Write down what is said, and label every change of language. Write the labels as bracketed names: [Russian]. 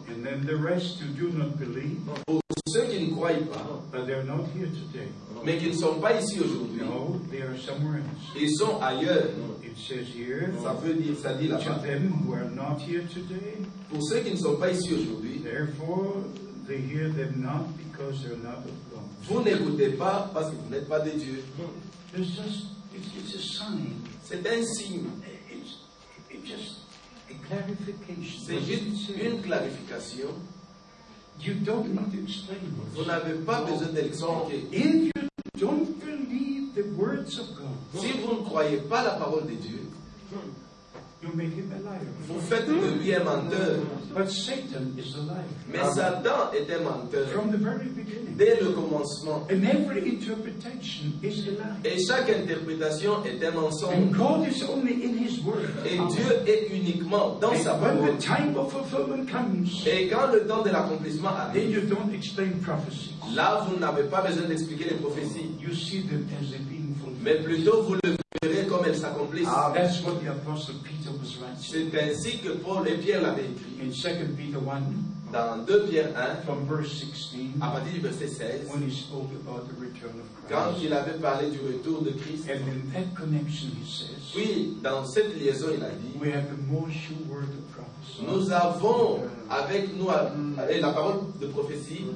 [English] And then the rest who do not believe. [French] Pour ceux qui ne croient pas. [English] But they are not here today. [French] Mais qui ne sont pas ici aujourd'hui. [English] No, they are somewhere else. [French] Ils sont ailleurs. [English] It says here, [French] ça veut dire, ça dit là-bas. [English] To them who are not here today, [French] pour ceux qui ne sont pas ici aujourd'hui. [English] Therefore, they hear them not because they are not of God. [French] Vous n'écoutez pas parce que vous n'êtes pas de Dieu. [English] It's a sign. [French] C'est un signe. [English] It's just a clarification. [French] C'est juste une clarification. [English] You don't need to explain this. [French] Vous n'avez pas besoin d'expliquer. [English] If you don't believe the words of God, [French] si vous ne croyez pas la parole de Dieu, [English] You make him a liar. [French] Vous faites de lui un menteur. [English] But Satan is a liar. [French] Mais Satan est un menteur. [English] From the very beginning. [French] Dès le commencement. [English] And every interpretation is a lie. [French] Et chaque interprétation est un mensonge. [English] And God is only in his word. [French] Et Dieu est uniquement dans [English] and [French] sa parole. [English] When the time of fulfillment comes, [French] et quand le temps de l'accomplissement arrive, [English] then you don't explain prophecies. [French] Là, vous n'avez pas besoin d'expliquer les prophéties. [English] You see them as they being fulfilled. [French] Mais plutôt, vous le verrez comme elles s'accomplissent. [English] Ah, that's what the apostle Peter was writing. [French] C'est ainsi que Paul et Pierre l'avaient écrit. [English] In 2 Peter 1, [French] dans 2 Pierre 1, [English] from verse 16, [French] à partir du verset 16, [English] when he spoke about the return of Christ, [French] quand il avait parlé du retour de Christ, [English] and in that connection he says, [French] oui, dans cette liaison, il a dit, [English] we have the most sure word of prophecy. [French] Nous avons avec nous la parole de prophétie.